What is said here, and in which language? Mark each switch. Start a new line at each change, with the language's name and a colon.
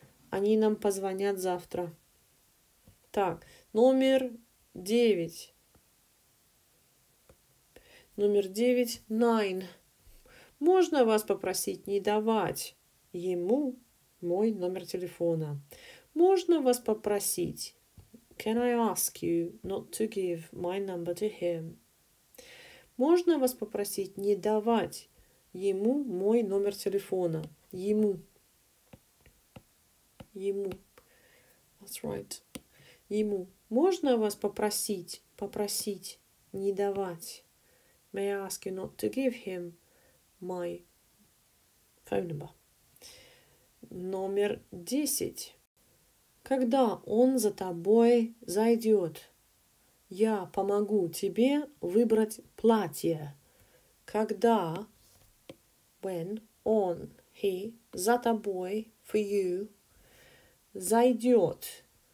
Russian: Они нам позвонят завтра. Так, номер девять. Номер девять.
English: Nine.
Russian: Можно вас попросить не давать ему... Мой номер телефона. Можно вас попросить?
English: Can I ask you not to give my number to him?
Russian: Можно вас попросить не давать ему мой номер телефона? Ему. Ему.
English: That's right.
Russian: Ему. Можно вас попросить не давать?
English: May I ask you not to give him my phone number?
Russian: Номер десять. Когда он за тобой зайдет, я помогу тебе выбрать платье. Когда,
English: when,
Russian: он,
English: he,
Russian: за тобой,
English: for you,
Russian: зайдет.